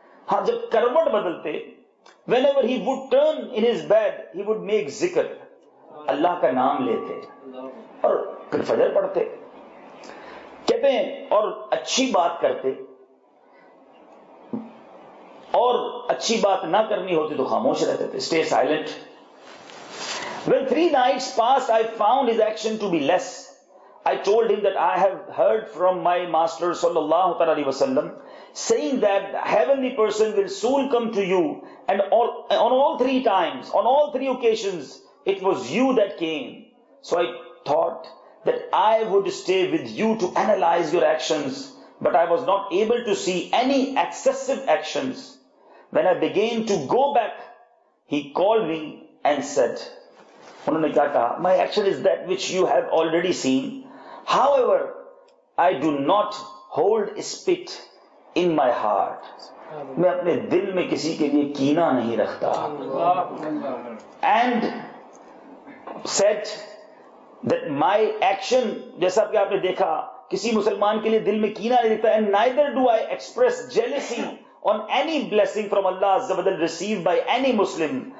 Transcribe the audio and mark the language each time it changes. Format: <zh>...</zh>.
<ur>ہاں جب کروٹ بدلتے, when ever he would turn in his bed he would make ذکر, اللہ کا نام لیتے اور پھر فجر پڑھتے. کہتے ہیں اور اچھی بات کرتے, اور اچھی بات نہ کرنی ہوتی تو خاموش رہتے تھے, stay silent.</ur> <en>When 3 nights passed, I found his action to be less. I told him that I have heard from my master sallallahu alaihi wasallam saying that heavenly person will soon come to you, and on all three occasions it was you that came. So I thought that I would stay with you to analyze your actions, but I was not able to see any excessive actions. When I began to go back, he called me and said, انہوں نے کیا کہا, my action is that which you have already seen. However, I do not hold spit in my heart.</en> <ur>میں اپنے دل میں کسی کے لیے کینہ نہیں رکھتا.</ur> <en>And said that my action, جیسا کہ آپ نے دیکھا کسی مسلمان کے لیے دل میں کینہ نہیں رکھتا, and neither do I express jealousy on any blessing from Allah عز و جل received by any Muslim.</en>